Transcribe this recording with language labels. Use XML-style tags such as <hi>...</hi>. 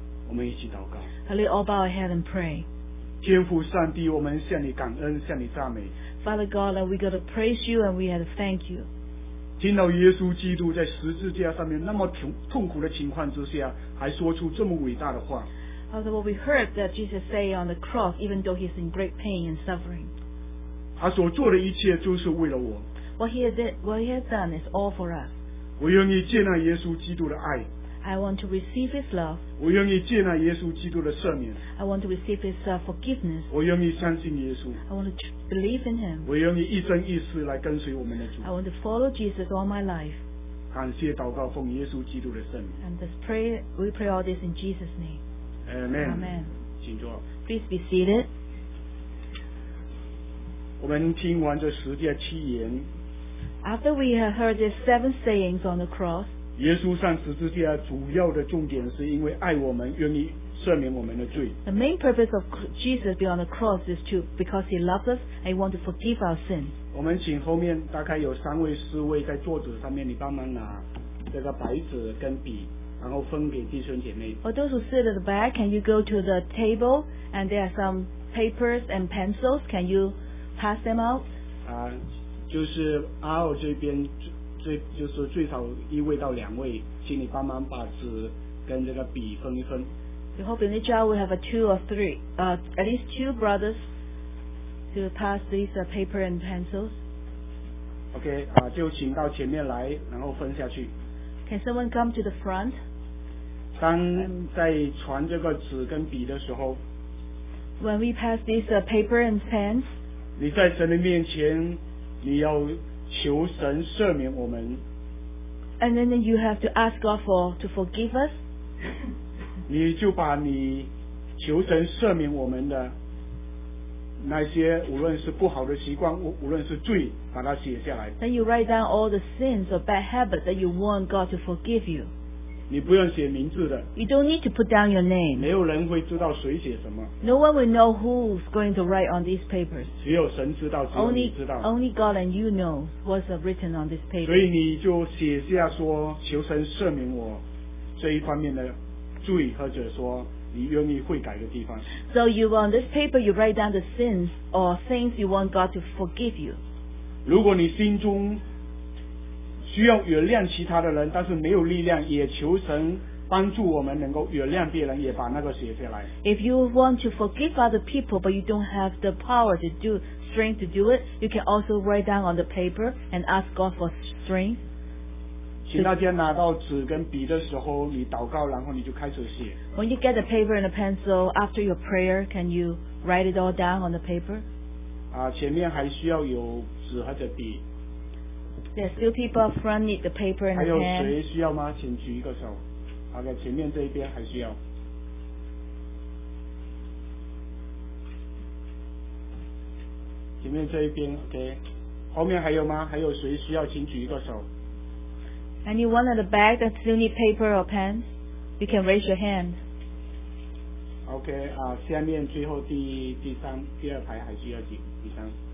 <zh>我们一起祷告。</zh> <en>Let's all bow our head and pray.</en> <zh>天父上帝，我们向你感恩，向你赞美。</zh> <en>Father God, we got to praise you and we have to thank you.</en> <zh>听到耶稣基督在十字架上面那么痛苦的情况之下，还说出这么伟大的话。</zh> <en>Father, what we heard that Jesus say on the cross, even though he's in great pain and suffering.</en> <zh>他所做的一切就是为了我。</zh> <en>What he has done is all for us.</en> <zh>我愿意接纳耶稣基督的爱。</zh> <en>I want to receive His love.</en> <zh>我愿意接纳耶稣基督的赦免。</zh> <en>I want to receive His forgiveness.</en> <zh>我愿意相信耶稣。</zh> <en>I want to believe in Him.</en> <zh>我愿意一生一世来跟随我们的主。</zh> <en>I want to follow Jesus all my life.</en> <zh>感谢祷告奉耶稣基督的圣名。</zh> <en>And we pray all this in Jesus' name. Amen. Amen.</en> <zh>请坐。</zh> <en>Please be seated.</en> <zh>我们听完这十诫七言。</zh> <en>After we have heard the seven sayings on the cross.</en> <zh>耶稣上十字架主要的重点是因为爱我们，愿意赦免我们的罪。</zh> <en>The main purpose of Jesus being on the cross is to because He loves us and He wants to forgive our sins.</en> <zh>我们请后面大概有三位侍卫在桌子上面，你帮忙拿这个白纸跟笔，然后分给弟兄姐妹。</zh> <en>For those who sit at the back, can you go to the table and there are some papers and pencils? Can you pass them out?</en> <zh>啊，就是 R 这边。就是最少一位到两位，请你帮忙把纸跟这个笔分一分。</zh> <en>We hope in each hour we have a two or three, at least two brothers to pass these paper and pencils.</en> <zh>Okay, 就请到前面来，然后分下去。</zh> <en>Can someone come to the front?</en> <zh>当在传这个纸跟笔的时候</zh> <en>，When we pass these paper and pens,</en> <zh>你在神的面前，你要。求神赦免我们。</zh> <en>And then you have to ask God to forgive us.</en> <zh>你就把你求神赦免我们的那些无论是不好的习惯，无论是罪，把它写下来。</zh> <en>Then you write down all the sins or bad habits that you want God to forgive you.</en> <zh>你不用写名字的。</zh> <en>You don't need to put down your name.</en> <zh>没有人会知道谁写什么。</zh> <en>No one will know who's going to write on these papers.</en> <zh>只有神知道，只有你知道。</zh> <en>Only God and you know what's written on this paper.</en> <zh>所以你就写下说，求神赦免我这一方面的罪，或者说你愿意悔改的地方。</zh> <en>So you on this paper you write down the sins or things you want God to forgive you.</en> <zh>如果你心中需要原谅其他的人，但是没有力量，也求神帮助我们能够原谅别人，也把那个写下来。</zh> <en>If you want to forgive other people, but you don't have the power to do strength to do it, you can also write down on the paper and ask God for strength.</en> <zh>请大家拿到纸跟笔的时候，你祷告，然后你就开始写。</zh> <en>When you get a paper and a pencil after your prayer, can you write it all down on the paper?</en> <zh>啊，前面还需要有纸或者笔。</zh> <en>There are still people up front need the paper and the pen.</en> <zh>还有谁需要吗？请举一个手。 OK， 前面这一边还需要。前面这一边 OK， 后面还有吗？还有谁需要？请举一个手。</zh> <en>Anyone at the back that still need paper or pen, you can raise your hand.</en> <zh>OK， 啊，下面最后第二排还需要几？第三。</zh>